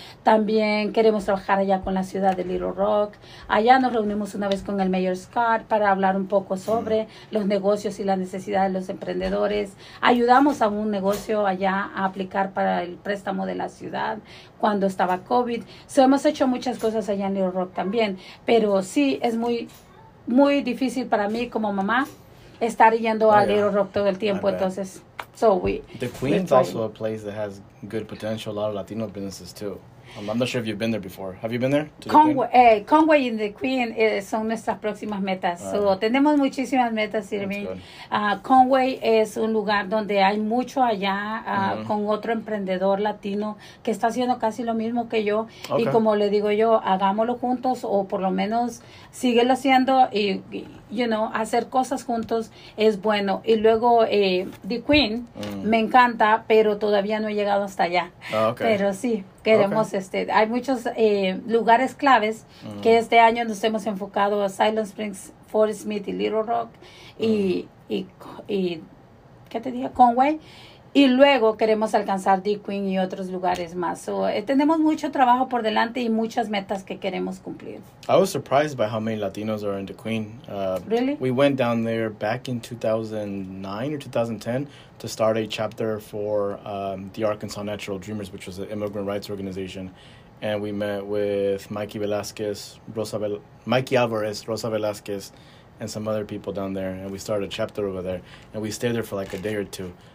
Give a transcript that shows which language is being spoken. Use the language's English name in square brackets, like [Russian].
[Spanish] También queremos trabajar allá con la ciudad de Little Rock. Allá nos reunimos una vez con el Mayor Scott para hablar un poco sobre los negocios y las necesidades los emprendedores. Ayudamos a un negocio allá a aplicar para el préstamo de la ciudad cuando estaba COVID. So, hemos hecho muchas cosas allá en Little Rock también, pero sí, es muy, muy difícil para mí como mamá estar yendo a Little Rock todo el tiempo. Entonces, [English] The Queen's also a place that has good potential, a lot of Latino businesses too. I'm not sure if you've been there before. Have you been there? [Spanish] Conway and the Queen son nuestras próximas metas. So, tenemos muchísimas metas, Irving. Conway es un lugar donde hay mucho allá con otro emprendedor latino que está haciendo casi lo mismo que yo. [English] Okay. [Spanish] Y como le digo yo, hagámoslo juntos o por lo menos síguelo haciendo y, you know, hacer cosas juntos es bueno. Y luego The Queen me encanta, pero todavía no he llegado hasta allá. [English] Okay. [Spanish] Pero sí. Queremos, hay muchos lugares claves que este año nos hemos enfocado a Silent Springs, Fort Smith y Little Rock y ¿qué te dije? Conway. Y luego queremos alcanzar The Queen y otros lugares más. So, tenemos mucho trabajo por delante y muchas metas que queremos cumplir. [English] I was surprised by how many Latinos are in The Queen. Really? We went down there back in 2009 or 2010 to start a chapter for the Arkansas Natural Dreamers, which was an immigrant rights organization. And we met with Mikey Alvarez, Rosa Velasquez, and some other people down there. And we started a chapter over there. And we stayed there for like a day or two.